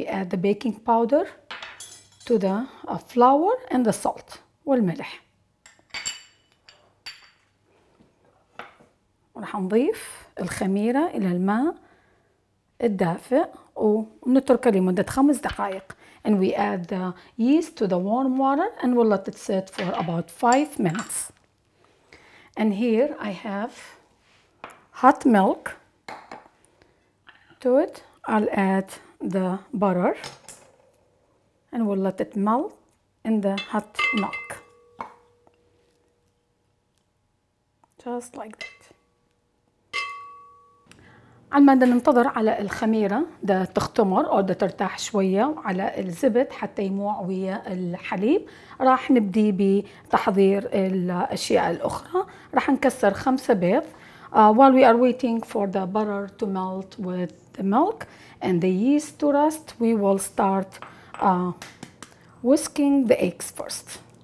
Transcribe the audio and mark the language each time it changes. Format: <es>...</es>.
<en>We add the baking powder to the flour and the salt</en> <ar>والملح. راح نضيف الخميرة إلى الماء الدافئ ونتركه لمدة 5 دقائق.</ar> <en>And we add the yeast to the warm water and we'll let it sit for about 5 minutes. And here I have hot milk. To it, I'll add the butter and we'll let it melt in the hot milk. Just like that.</en> <ar>على ما ننتظر على الخميرة ده تختمر أو ده ترتاح شوية وعلى الزبد حتى يموع ويا الحليب، راح نبدي بتحضير الأشياء الأخرى. راح نكسر 5 بيض.</ar> <en>While we are waiting for the butter to melt with the milk and the yeast to rust, we will start whisking the eggs first.</en>